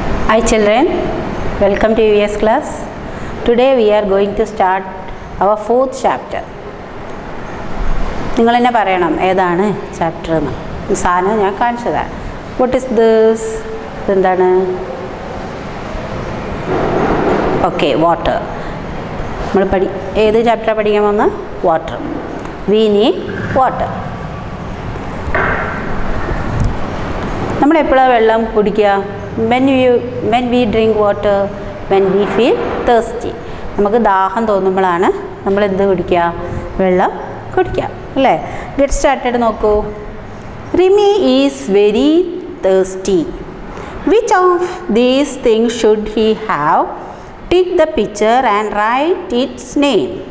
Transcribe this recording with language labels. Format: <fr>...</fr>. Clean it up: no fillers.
<en>Hi children, welcome to UVS class. Today we are going to start our fourth chapter.</en> <ml>നിങ്ങൾ എന്നെ പറയണം ഏതാണ് chapter എന്ന്. സാധനം ഞാൻ കാണിച്ചു തരാം.</ml> <en>What is this?</en> <ml>ഇതെന്താണ്?</ml> <en>Okay, water.</en> <ml>നമ്മൾ പഠി ഏത് ചാപ്റ്റർ പഠിക്കാൻ വന്ന്?</ml> <en>Water. We need water.</en> <ml>നമ്മൾ എപ്പോഴാണ് വെള്ളം കുടിക്കുക?</ml> <en>When we drink water, when we feel thirsty.</en> <ml>നമുക്ക് ദാഹം തോന്നുമ്പോഴാണ് നമ്മൾ എന്ത് കുടിക്കുക? വെള്ളം കുടിക്കുക, അല്ലേ?</ml> <en>Get started നോക്കൂ. Rimi is very thirsty. Which of these things should he have? Take the picture and write its name.</en>